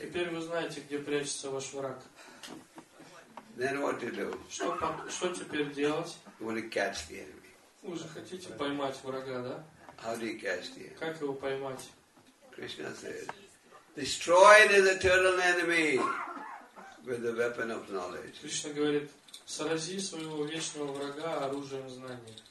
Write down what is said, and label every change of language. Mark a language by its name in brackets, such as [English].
[Russian] Теперь вы знаете, где прячется ваш враг. [English] Then what to do? [Russian] Что теперь делать? [English] You want to catch the enemy. [Russian] Вы же хотите поймать врага, да? [English] How do you catch the enemy? [Russian] Как его поймать? [English] Krishna says, destroy this eternal enemy with the weapon of knowledge. [Russian] Кришна говорит, срази своего вечного врага оружием знания.